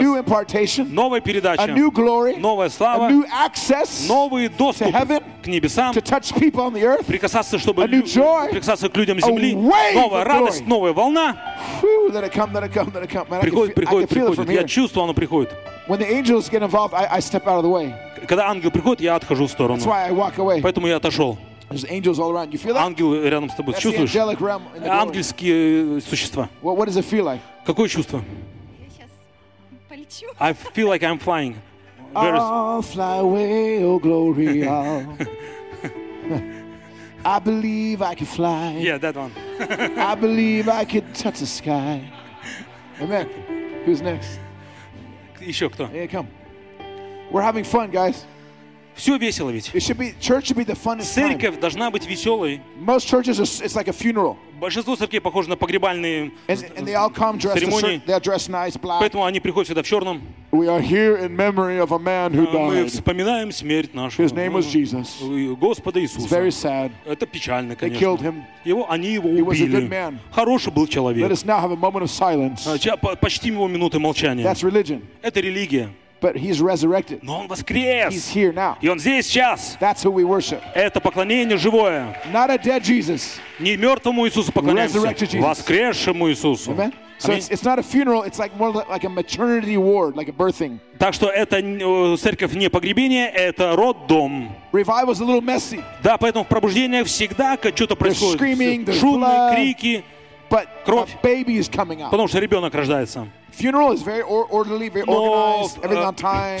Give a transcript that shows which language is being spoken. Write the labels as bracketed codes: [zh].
[en] A new impartation. [ru] Новая передача. [en] A new glory. [ru] Новая слава. [en] A new access. [ru] Новый доступ. [en] To heaven. [ru] К небесам. [en] To touch people on the earth. [ru] Прикасаться, чтобы [en] a new joy. [ru] Прикасаться к людям земли. [en] A wave of glory. [ru] Новая радость, новая волна. [en] Whew, let it come, let it come, let it come. [ru] Приходит, приходит, приходит. Я чувствую, оно приходит. [en] When the angels get involved, I step out of the way. [ru] Когда ангел приходит, я отхожу в сторону. Поэтому я отошел. Ангелы рядом с тобой. Чувствуешь? Ангельские существа. Какое чувство? Я сейчас полечу. [en] I'll fly away, oh glory. I believe I can fly. Yeah, that one. I believe I can touch the sky. Amen. Who's next? [ru] Еще кто? [en] Yeah, come. We're having fun, guys. [ru] Все весело ведь. [en] It should be, church should be the funnest time. [ru] Церковь должна быть веселой. [en] Most churches are, it's like a funeral. [ru] Большинство церквей похожи на погребальные церемонии. [en] They all come dressed nice, black. [ru] Поэтому они приходят сюда в черном. [en] We are here in memory of a man who died. [ru] Мы вспоминаем смерть нашего. [en] His name was Jesus. [ru] Господа Иисуса. [en] It's very sad. [ru] Это печально, конечно. [en] They killed him. [ru] Его, они его убили. [en] He was a good man. [ru] Хороший был человек. [en] Let us now have a moment of silence. [ru] Почтим его минуты молчания. [en] That's religion. [ru] Это религия. [en] But he's resurrected. [ru] Но он воскрес. [en] He's here now. [ru] И он здесь сейчас. [en] That's who we worship. [ru] Это поклонение живое. [en] Not a dead Jesus. [ru] Не мертвому Иисусу поклоняемся. [en] Resurrected Jesus. [ru] Воскресшему Иисусу. [en] Amen. So it's not a funeral. It's like more like a maternity ward, like a birthing. [ru] Так что это церковь не погребение, это роддом. [en] Revival is a little messy. [ru] Да, поэтому в пробуждении всегда что-то происходит. [en] There's screaming, there's [ru] шумные [en] blood, [ru] крики. [en] But [ru] кровь. [en] A baby is coming out. [ru] Потому что ребенок рождается. [en] Funeral is very orderly, very organized, everything on time.